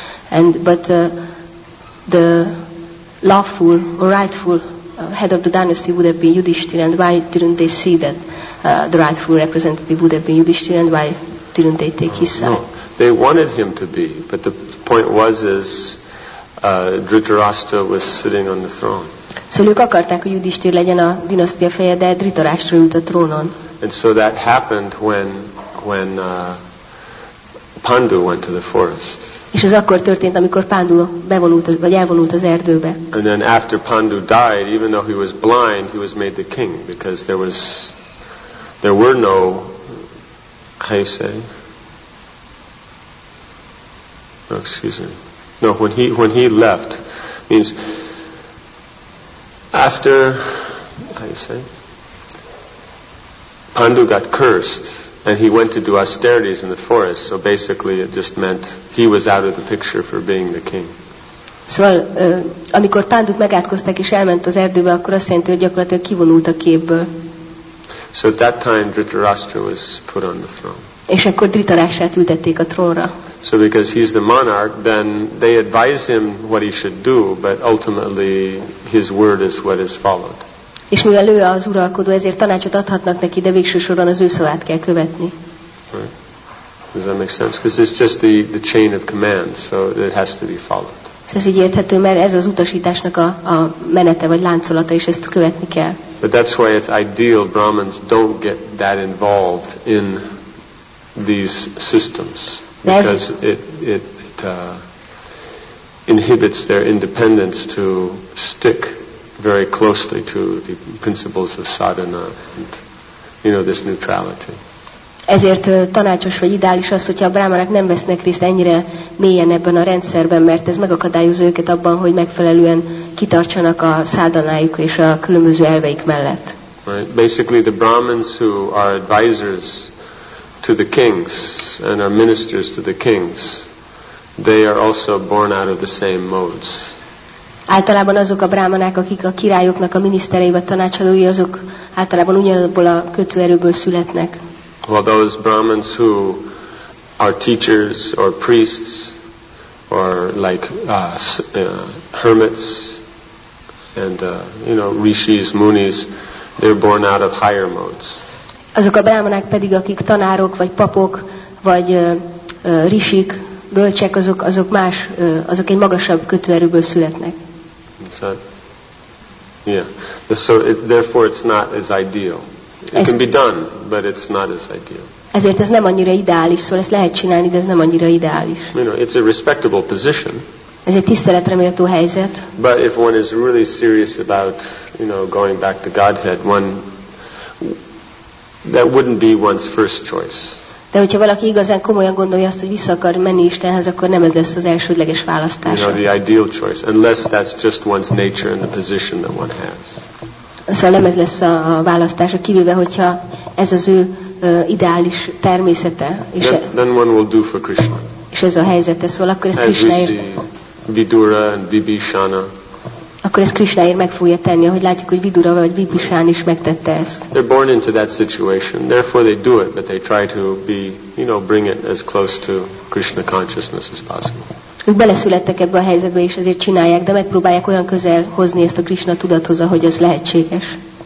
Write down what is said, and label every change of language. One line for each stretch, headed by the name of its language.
English: But the lawful or rightful head of the dynasty would have been Yudhishthira, and why didn't they see that the rightful representative would have been Yudhishthira, and why didn't they take his side? No. They wanted him to be, but the point was is Dhritarashtra was sitting on the throne. So
Hungarian: ők akarták, hogy Yudhishthira legyen a dinasztia feje, de Dhritarashtra ült a trónon.
English: And so that happened when Pandu went to the forest.
Hungarian: És ez akkor történt, amikor Pandu bevonult, vagy elvonult az erdőbe.
English: And then after Pandu died, even though he was blind, he was made the king because there were no, how you say? No, excuse me. No, when he left, means after, how you say? Pandu got cursed. And he went to do austerities in the forest, so basically it just meant he was out of the picture for being the king.
Hungarian: Szóval, amikor Pándut megátkozták és elment az erdőbe, akkor azt jelenti, hogy gyakorlatilag kivonult a képből.
English: So at that time Dhritarashtra was put on the throne.
Hungarian: És akkor Dhritarashtrát ültették a trónra.
English: So because he's the monarch, then they advise him what he should do, but ultimately his word is what is followed.
Hungarian: És mivel ő az uralkodó, ezért tanácsot adhatnak neki, de végső soron az ő szavát kell követni.
English: Right. Does that make sense? Because it's just the chain of command, so it has to be followed.
Hungarian: Ez így érthető, mert ez az utasításnak a menete vagy láncolata, és ezt követni kell.
English: But that's why it's ideal Brahmins don't get that involved in these systems, because it inhibits their independence to stick very closely to the principles of sadhana and, you know, this neutrality.
Hungarian: Ezért tanácsos vagy ideális az, hogyha a brahmanák nem vesznek részt ennyire mélyen ebben a rendszerben, mert ez megakadályozza őket abban, hogy megfelelően kitartsanak a sadhanájuk és a különböző elveik mellett.
English: Right. Basically the brahmins who are advisors to the kings and are ministers to the kings, they are also born out of the same modes.
Hungarian: Általában azok a brámanák, akik a királyoknak a miniszterei vagy tanácsadói, azok általában ugyanabból a kötőerőből születnek.
English: Well, those brahmins who are teachers or priests or like hermits and you know, rishis, munis, they're born out of higher modes.
Hungarian: Azok a brámanák pedig, akik tanárok vagy papok vagy rishik, bölcsek, azok más, azok egy magasabb kötőerőből születnek.
English: So, yeah. So therefore, it's not as ideal. It can be done, but it's not as ideal.
Hungarian: Ezért ez nem annyira ideális, szóval ezt lehet csinálni, de ez nem annyira ideális.
English: You know, it's a respectable position.
Hungarian: Ez egy tiszteletre méltó helyzet.
English: But if one is really serious about, you know, going back to Godhead, that wouldn't be one's first choice.
Hungarian: De hogyha valaki igazán komolyan gondolja azt, hogy vissza akar menni Istenhez, akkor nem ez lesz az elsődleges választása.
English: You know, the ideal choice, unless that's just one's nature and the position that one has.
Hungarian: Szóval nem ez lesz a választása, kivéve, hogyha ez az ő ideális természete. És
English: then one will do for Krishna.
Hungarian: És ez a helyzete, szóval akkor ez Krishnaért.
English: Vidura and Vibhishana.
Hungarian: Akkor ez Krishnaért meg fogja tenni, ahogy látjuk, hogy Vidura vagy Vibhishan is megtette ezt.
English: They're born into that situation, therefore they do it, but they try to be, you know, bring it as close to Krishna consciousness as possible.
Hungarian: Ők beleszülettek ebbe a helyzetbe, és ezért csinálják, de megpróbálják olyan közel hozni ezt a Krishna tudathoz, ahogy ez lehetséges.